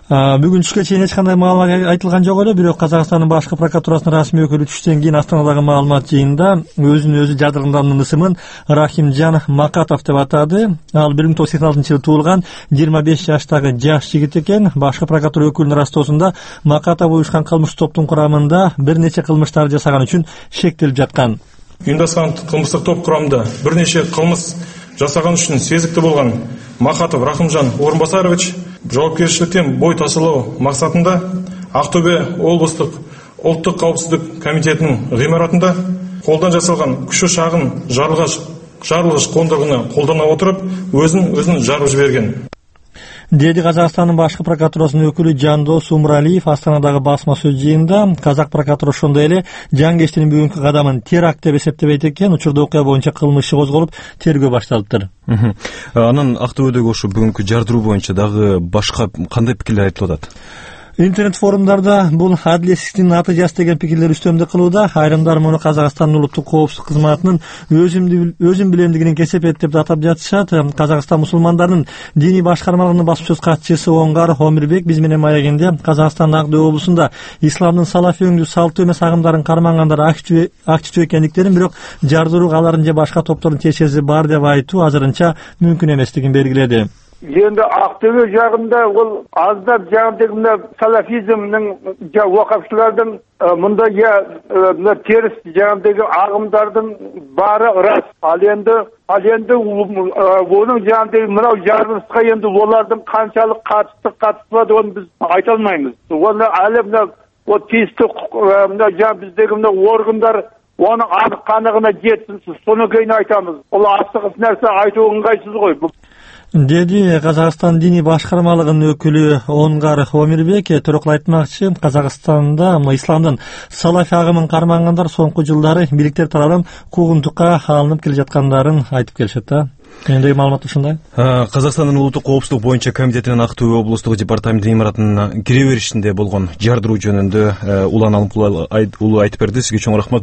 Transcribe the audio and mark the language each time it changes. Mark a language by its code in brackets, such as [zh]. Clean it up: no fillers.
[ky] Бүгүн түшкө чейин эч кандай маалымат айтылган жок эле, бирок Казакстандын башкы прокуратурасынын расмий өкүлү түштөн кийин Астанадагы маалымат жыйынында өзүн өзү жардырганынын ысымын Рахимжан Макатов деп атады. Ал 1986 жылы туулган 25 жаштагы жаш жигит экен. Башкы прокуратура өкүлүнүн ырастоосунда Макатов уюшкан кылмыш топтун курамында бир нече кылмыштарды жасаган үчүн шектелип жаткан. [kk] Ұйымдасқан қылмыстық топ құрамында бірнеше қылмыс жасаған үшін сезікті болған Махатов Рахымжан Орынбасарович жауапкершіліктен бой тасалау мақсатында Ақтөбе облыстық ұлттық қауіпсіздік комитетінің ғимаратында қолдан жасалған күші шағын жарылғыш қондырғыны қолдана отырып өзін жарып жіберген. [ky] Деди Казакстандын башкы прокуратурасынын өкүлү Жандос Умралиев Астанадагы басма сөз жыйынында. Казак прокуратура ошондой эле жанкечтин бүгүнкү кадамын теракт деп эсептебейт экен. Учурда окуя боюнча кылмыш иши козголуп, тергөө башталыптыр. Анан Актоодогу ошо бүгүнкү жардыруу боюнча дагы башка кандай пикирлер айтылып атат? Интернет форумдарда бул адилетсиздиктин натыйжасы деген пикирлер үстөмдүк кылууда. Айрымдар муну Казакстандын улуттук коопсуздук кызматынын өзүн билемдигинин кесепети деп атап жатышат. Казакстан мусулмандарынын диний башкармалыгынын басып сөз катчысы Оңгар Омирбек биз менен маегинде Казакстандын Актоо облусунда исламдын салафи өңдүү салттуу эмес агымдарын кармангандар активдүү экендиктерин, бирок жардыруу алардын же башка топтордун тиешеси бар деп айтуу азырынча мүмкүн эместигин белгиледи. [kk] Енді Ақтөбе жағында ол аздап жаңдегі мына салафизмнің оқапшылардың мындай мына теріс жаңдегі ағымдардың бары рас. Ал енді оның жаңдегі мынау жарылысқа енді олардың қаншалық қатыспады оны біз айта алмаймыз. Оны әлі мына тиісті мына жаң біздегі мына органдар оны анық қанығына жетсін, содан кейін айтамыз. Ол асығыс нәрсе айту ыңғайсыз ғой. [ky] Деди Казакстан диний башкармалыгынын өкүлү Оңгар Омирбек. Төрөкул айтмакчы, Казакстанда исламдын салафи агымын кармангандар соңку жылдары бийликтер тарабынан куугунтукка алынып келе жаткандарын айтып келишет да. Эндеги маалымат ушундай. Казакстандын улуттук коопсуздук боюнча комитетинин Актоо облустук департаментинин имаратына кире беришинде болгон жардыруу жөнүндө Улан Алымкулу айтып берди. Сизге чоң рахмат.